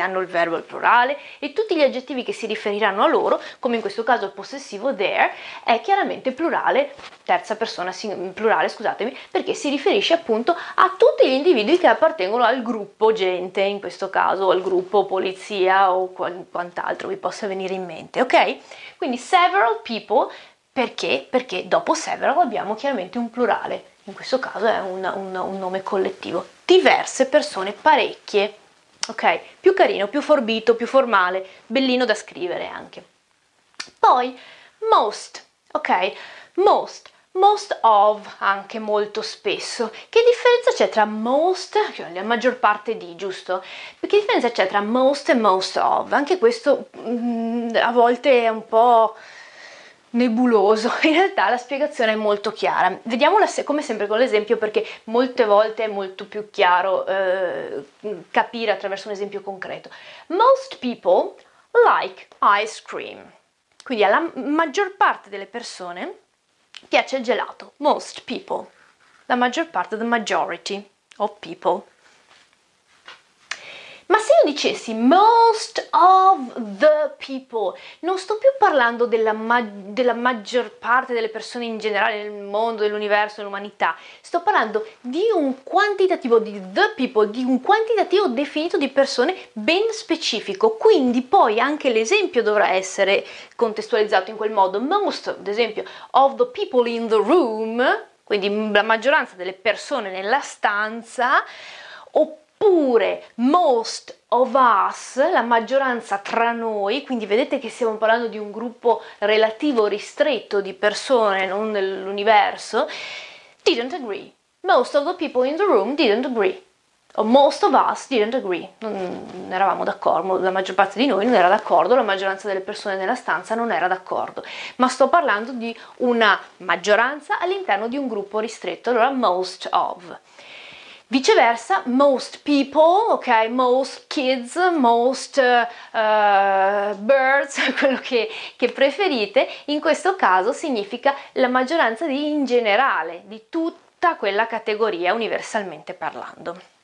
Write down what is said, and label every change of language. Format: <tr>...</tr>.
<it>Hanno il verbo al plurale e tutti gli aggettivi che si riferiranno a loro, come in questo caso il possessivo there, è chiaramente plurale, terza persona, plurale, scusatemi, perché si riferisce appunto a tutti gli individui che appartengono al gruppo gente, in questo caso al gruppo polizia o quant'altro vi possa venire in mente, ok? Quindi</it> <en>several people,</en> <it>perché? Perché dopo several abbiamo chiaramente un plurale, in questo caso è un nome collettivo, diverse persone, parecchie. Ok, più carino, più forbito, più formale, bellino da scrivere anche. Poi,</it> <en>Most, ok? Most. Most of, anche molto spesso.</en> <it>Che differenza c'è tra most, che è la maggior parte di, giusto? Che differenza c'è tra most e most of? Anche questo a volte è un po' nebuloso. In realtà la spiegazione è molto chiara. Vediamola se, come sempre con l'esempio, perché molte volte è molto più chiaro capire attraverso un esempio concreto.</it> <en>Most people like ice cream.</en> <it>Quindi alla maggior parte delle persone piace il gelato.</it> <en>Most people.</en> <it>La maggior parte,</it> <en>the majority of people.</en> <it>Ma se io dicessi</it> <en>most of the people,</en> <it>non sto più parlando della maggior parte delle persone in generale nel mondo, dell'universo, dell'umanità. Sto parlando di un quantitativo di</it> <en>the people,</en> <it>di un quantitativo definito di persone ben specifico. Quindi poi anche l'esempio dovrà essere contestualizzato in quel modo. Most, ad esempio,</it> <en>of the people in the room,</en> <it>quindi la maggioranza delle persone nella stanza, oppure</it> <en>most of us,</en> <it>la maggioranza tra noi, quindi vedete che stiamo parlando di un gruppo relativo ristretto di persone, non dell'universo,</it> <en>didn't agree. Most of the people in the room didn't agree. O most of us didn't agree.</en> <it>Non eravamo d'accordo, la maggior parte di noi non era d'accordo, la maggioranza delle persone nella stanza non era d'accordo. Ma sto parlando di una maggioranza all'interno di un gruppo ristretto, allora most of. Viceversa,</it> <en>most people,</en> <it>ok,</it> <en>most kids, most birds,</en> <it>quello che preferite, in questo caso significa la maggioranza di in generale, di tutta quella categoria, universalmente parlando.</it>